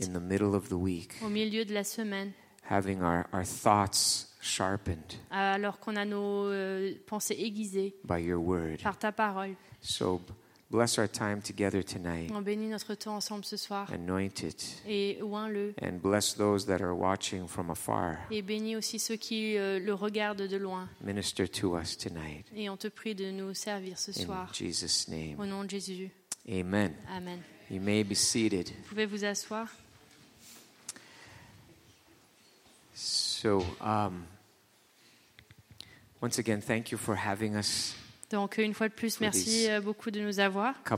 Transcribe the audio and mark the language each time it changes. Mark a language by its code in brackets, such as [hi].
[en] In the middle of the week, [fr] au milieu de la semaine. [en] Having our thoughts sharpened, [fr] alors qu'on a nos pensées aiguisées [en] by your word. [fr] Par ta parole. [en] So, bless our time together tonight. [fr] On bénit notre temps ensemble ce soir. [en] Anoint it. [fr] Et oint-le. [en] And bless those that are watching from afar. [fr] Et bénis aussi ceux qui le regardent de loin. [en] Minister to us tonight. [fr] Et on te prie de nous servir ce soir. [en] In Jesus' name. [fr] Au nom de Jésus. [en] Amen. [fr] Amen. [en] You may be seated. [fr] Vous pouvez vous asseoir. [en] So, once again, thank you for having us. [fr] Donc, une fois de plus, merci beaucoup de nous avoir.